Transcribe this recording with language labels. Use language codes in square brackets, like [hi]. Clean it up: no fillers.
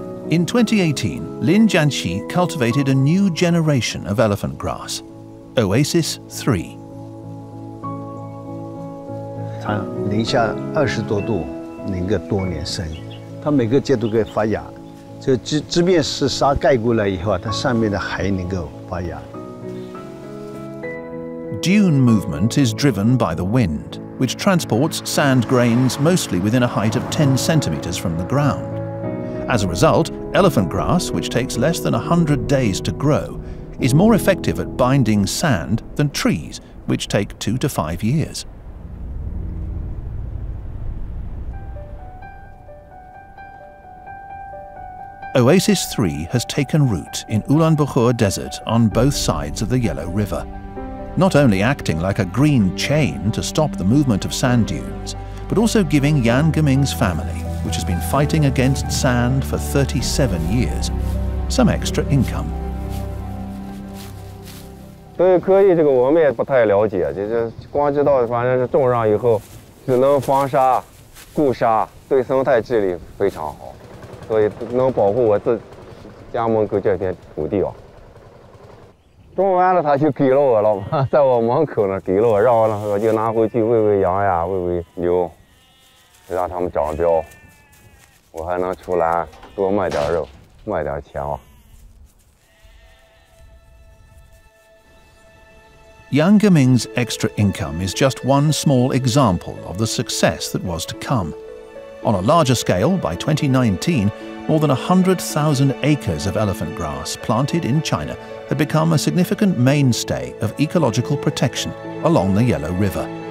[en] In 2018, Lin Jianqi cultivated a new generation of elephant grass, Oasis 3. [zh] 它零下二十多度，零个多年生，它每个节都可以发芽。这即便是沙盖过来以后啊，它上面的还能够发芽。 [en] Dune movement is driven by the wind, which transports sand grains mostly within a height of 10 centimeters from the ground. As a result, elephant grass, which takes less than 100 days to grow, is more effective at binding sand than trees, which take 2 to 5 years. Oasis 3 has taken root in Ulaanbaatar Desert on both sides of the Yellow River. Not only acting like a green chain to stop the movement of sand dunes, but also giving Yang Geming's family, which has been fighting against sand for 37 years, some extra income. [zh] 对科技这个我们也不太了解，就是光知道反正是种上以后，只能防沙、固沙，对生态治理非常好。所以能保护我自家门口这片土地啊。种完了，他就给了我了，在我门口呢，给了我，让我呢，我就拿回去喂喂羊呀，喂喂牛，让他们长膘，我还能出栏多卖点肉，卖点钱啊。 [en] Yang Geming's extra income is just one small example of the success that was to come. On a larger scale, by 2019, more than 100,000 acres of elephant grass planted in China had become a significant mainstay of ecological protection along the Yellow River.